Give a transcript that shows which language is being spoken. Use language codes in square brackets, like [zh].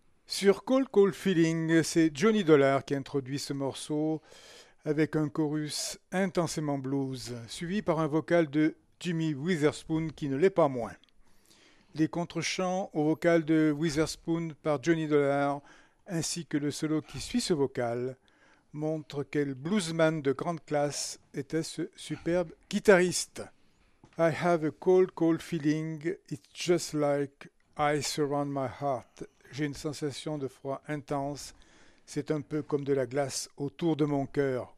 [fr] Sur Cold Cold Feeling, c'est Johnny Dollar qui introduit ce morceau avec un chorus intensément blues, suivi par un vocal de Jimmy Witherspoon qui ne l'est pas moins. Les contre-chants au vocal de Witherspoon par Johnny Dollar, ainsi que le solo qui suit ce vocal, montre quel bluesman de grande classe était ce superbe guitariste. [en] I have a cold, cold feeling, it's just like ice around my heart. [fr] J'ai une sensation de froid intense, c'est un peu comme de la glace autour de mon cœur.